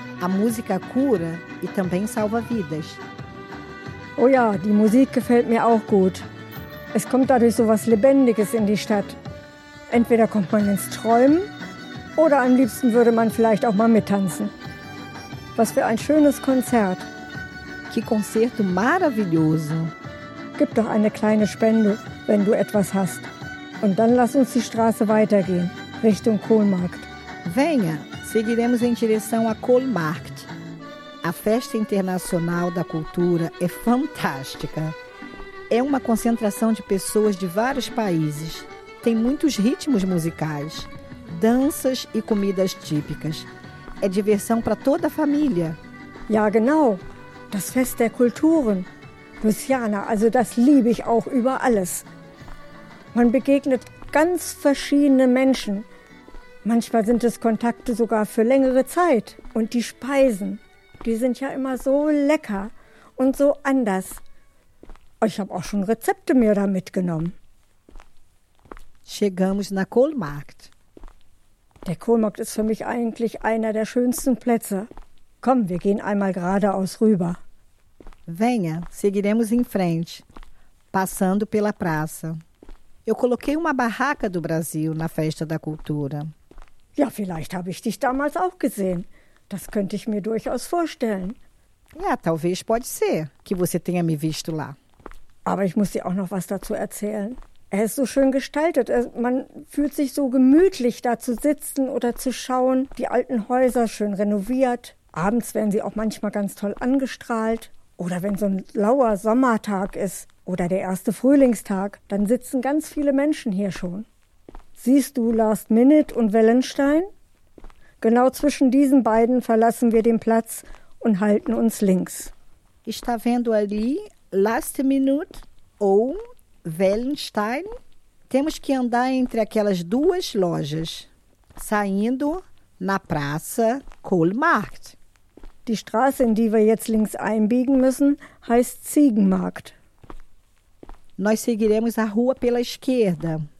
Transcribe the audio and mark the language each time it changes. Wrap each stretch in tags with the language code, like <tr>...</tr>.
<pt>A música cura e também salva vidas.</pt> <de>Oh ja, die Musik gefällt mir auch gut. Es kommt dadurch so was Lebendiges in die Stadt. Entweder kommt man ins Träumen oder am liebsten würde man vielleicht auch mal mittanzen. Was für ein schönes Konzert.</de> <pt>Que concerto maravilhoso.</pt> <de>Gib doch eine kleine Spende, wenn du etwas hast. Und dann lass uns die Straße weitergehen, Richtung Kohlmarkt.</de> <pt>Venha, seguiremos em direção a Kohlmarkt. A Festa Internacional da Cultura é fantástica. É uma concentração de pessoas de vários países. Tem muitos ritmos musicais, danças e comidas típicas. É diversão para toda a família.</pt> <de>Ja, genau. Das Fest der Kulturen. Luciana, also das liebe ich auch über alles. Man begegnet ganz verschiedene Menschen. Manchmal sind es Kontakte sogar für längere Zeit. Und die Speisen, die sind ja immer so lecker und so anders. Ich habe auch schon Rezepte mir da mitgenommen.</de> <pt>Chegamos na Kohlmarkt.</pt> <de>Der Kohlmarkt ist für mich eigentlich einer der schönsten Plätze. Komm, wir gehen einmal geradeaus rüber.</de> <pt>Venha, seguiremos em frente, passando pela praça. Eu coloquei uma barraca do Brasil na Festa da Cultura.</pt> <de>Ja, vielleicht habe ich dich damals auch gesehen. Das könnte ich mir durchaus vorstellen.</de> <pt>Ja, talvez pode ser que você tenha me visto lá.</pt> <de>Aber ich muss dir auch noch was dazu erzählen. Er ist so schön gestaltet. Man fühlt sich so gemütlich, da zu sitzen oder zu schauen. Die alten Häuser schön renoviert. Abends werden sie auch manchmal ganz toll angestrahlt. Oder wenn so ein lauer Sommertag ist oder der erste Frühlingstag, dann sitzen ganz viele Menschen hier schon. Siehst du Last Minute und Wellenstein? Genau zwischen diesen beiden verlassen wir den Platz und halten uns links.</de> <pt>Está vendo ali Last Minute ou Wellenstein? Temos que andar entre aquelas duas lojas, saindo na praça Kohlmarkt.</pt> <de>Die Straße, in die wir jetzt links einbiegen müssen, heißt Ziegenmarkt.</de> <pt>Nós seguiremos a rua pela esquerda.</pt>